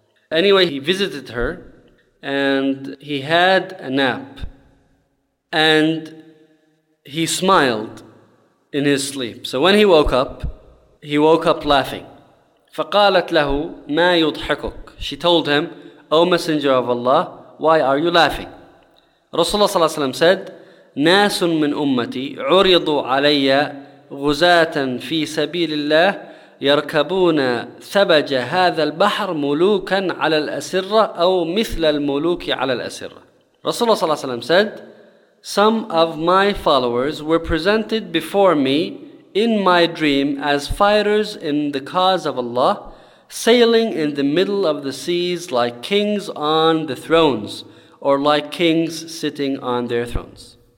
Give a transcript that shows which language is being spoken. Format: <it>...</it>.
<en>Anyway, he visited her, and he had a nap, and he smiled in his sleep. So when he woke up laughing.</en> <ar>فَقَالَتْ لَهُ مَا يُضْحَكُكُ.</ar> <en>She told him, O Messenger of Allah, why are you laughing?</en> <ar>Rasulullah صلى الله عليه وسلم</ar> <en>said,</en> <ar>نَاسٌ مِنْ أُمَّتِي عُرِضُوا عَلَيَّ غُزَاتًا فِي سَبِيلِ اللَّهِ يَرْكَبُونَ ثَبَجَ هَذَا الْبَحْرِ مُلُوكًا عَلَى الْأَسِرَّةِ أَوْ مِثْلَ الْمُلُوكِ عَلَى الْأَسِرَّةِ.</ar> <en>Rasulullah sallallahu alayhi wa sallam said, some of my followers were presented before me in my dream as fighters in the cause of Allah, sailing in the middle of the seas like kings on the thrones, or like kings sitting on their thrones.</en>